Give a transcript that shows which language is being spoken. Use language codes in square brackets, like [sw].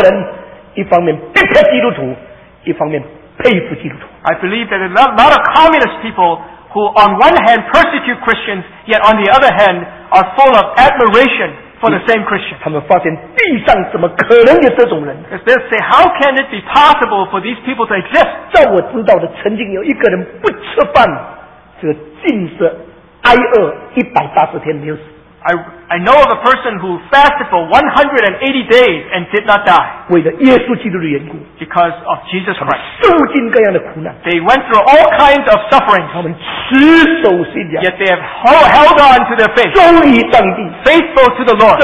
[zh] 我相信共产党有很多的人一方面逼迫基督徒, 一方面 [en] I believe that a lot of communist people who on one hand persecute Christians, yet on the other hand are full of admiration for the same Christian. They say, how can it be possible for these people to exist? [zh] 在我知道的曾经有一个人不吃饭,这个禁食挨饿180天没有死, [en] I know of a person who fasted for 180 days and did not die because of Jesus Christ. They went through all kinds of suffering, yet they have held on to their faith, faithful to the Lord.